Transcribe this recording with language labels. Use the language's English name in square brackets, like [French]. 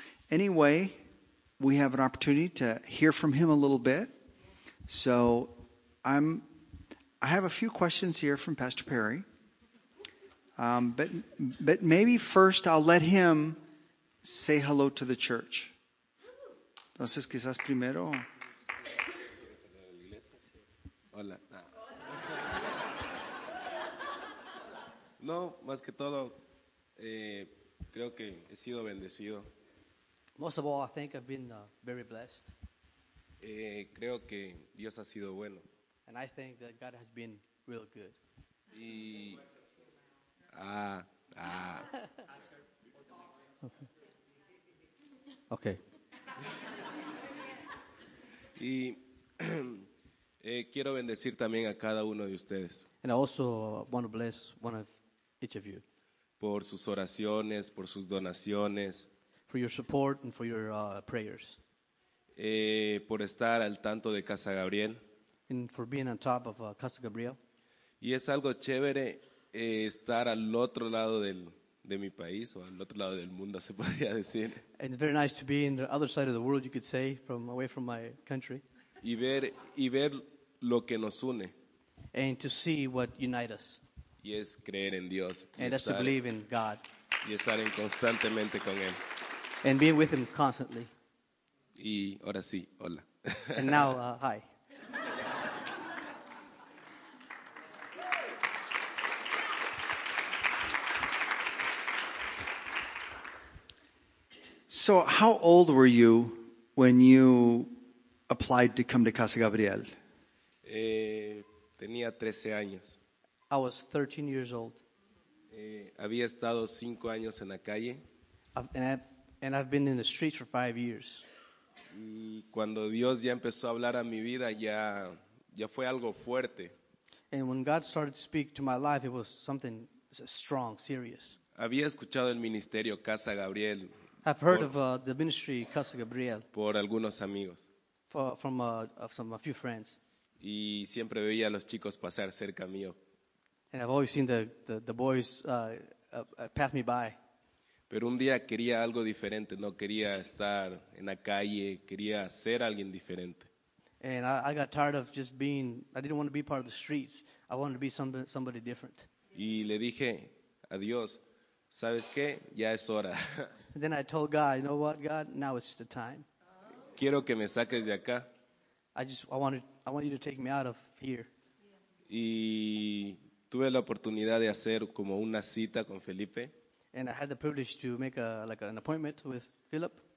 [English] Anyway, we have an opportunity to hear from him a little bit. So I have a few questions here from Pastor Perry, but maybe first I'll let him say hello to the church. [Spanish] Entonces, quizás primero. Hola. No, más que todo, creo que he sido bendecido. [English] Most of all, I think I've been very blessed. [Spanish] Creo que Dios ha sido bueno. [English] And I think that God has been real good. [Spanish] Y, Okay. Y quiero bendecir también a cada uno de ustedes. [English] And I also want to bless one of each of you. [Spanish] Por sus oraciones, por sus donaciones. [English] For your support and for your prayers. [Spanish] Por estar al tanto de Casa Gabriel. [English] And for being on top of Casa Gabriel. [Spanish] Y es algo chévere estar al otro lado de mi país, o al otro lado del mundo, se podría decir. [English] And it's very nice to be in the other side of the world, you could say, from away from my country. [Spanish] Y ver lo que nos une. [English] And to see what unites us. [Spanish] Y es creer en Dios. [English] And that's to believe in God. [Spanish] Y estar en constantemente con Él. [English] And being with Him constantly. [Spanish] Y ahora sí, hola. [English] And now, hi. So how old were you when you applied to come to Casa Gabriel? [Spanish] Tenía 13 años. [English] I was 13 years old. [Spanish] Había estado 5 años en la calle. [English] And I've been in the streets for 5 years. [Spanish] Y cuando Dios ya empezó a hablar a mi vida, ya fue algo fuerte. [English] And when God started to speak to my life, it was something strong, serious. [Spanish] Había escuchado el ministerio Casa Gabriel. [English] I've heard of the ministry Casa Gabriel. [Spanish] Por algunos amigos. [English] A few friends. [Spanish] Y siempre veía a los chicos pasar cerca mío. [English] And I've always seen the boys pass me by. [Spanish] Pero un día quería algo diferente, no quería estar en la calle, quería ser alguien diferente. [English] And I got tired of just being, I didn't want to be part of the streets. I wanted to be somebody different. [Spanish] Y le dije a Dios, ¿sabes qué? Ya es hora. [English] And then I told God, you know what, God? Now it's the time. [Spanish] Quiero que me saques de acá. [English] I want you to take me out of here. [Spanish] Y tuve la oportunidad de hacer como una cita con Felipe. [English] And I had the privilege to make an appointment with Philip.